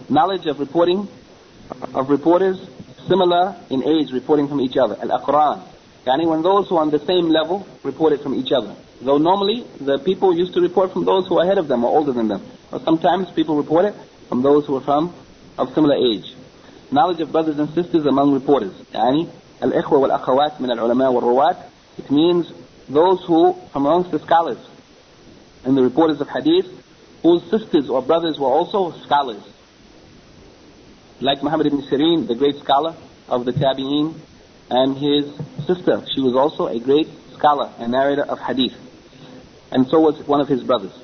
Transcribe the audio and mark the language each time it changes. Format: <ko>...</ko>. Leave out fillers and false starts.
<en>Knowledge of reporting, of reporters similar in age reporting from each other, al-aqran, yani when those who are on the same level reported from each other. Though normally the people used to report from those who are ahead of them or older than them. Or sometimes people report it from those who are from of similar age. Knowledge of brothers and sisters among reporters.</en> <ar>يعني الإخوة والأخوات من العلماء والرواة.</ar> <en>It means those who, from amongst the scholars and the reporters of hadith, whose sisters or brothers were also scholars. Like Muhammad ibn Sirin, the great scholar of the Tabi'een, and his sister, she was also a great scholar and narrator of hadith, and so was one of his brothers.</en>